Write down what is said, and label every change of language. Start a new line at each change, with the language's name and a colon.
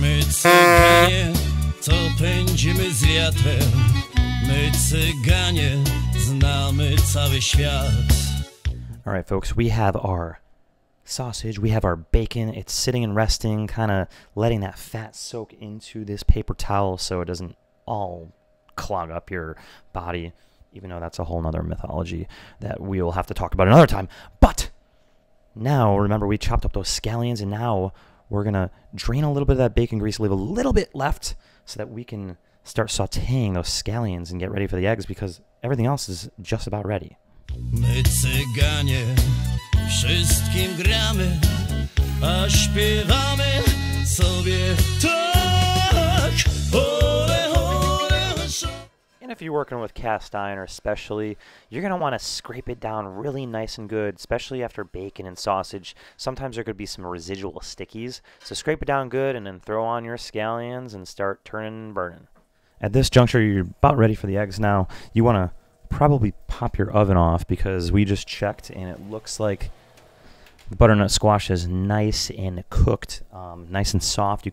Polish: Cyganie, to pędzimy z wiatrem. My cyganie, znamy cały świat.
English: All right, folks, we have our sausage, we have our bacon. It's sitting and resting, kind of letting that fat soak into this paper towel so it doesn't all clog up your body, even though that's a whole nother mythology that we will have to talk about another time. But now, remember, we chopped up those scallions, and now we're going to drain a little bit of that bacon grease, leave a little bit left so that we can start sautéing those scallions and get ready for the eggs, because everything else is just about ready.
Polish: My cyganie, wszystkim gramy, a śpiewamy sobie tak. Ole, ole, so.
English: And if you're working with cast iron especially, you're going to want to scrape it down really nice and good, especially after bacon and sausage. Sometimes there could be some residual stickies. So scrape it down good and then throw on your scallions and start turning and burning. At this juncture, you're about ready for the eggs now. You want to probably pop your oven off because we just checked and it looks like the butternut squash is nice and cooked, nice and soft.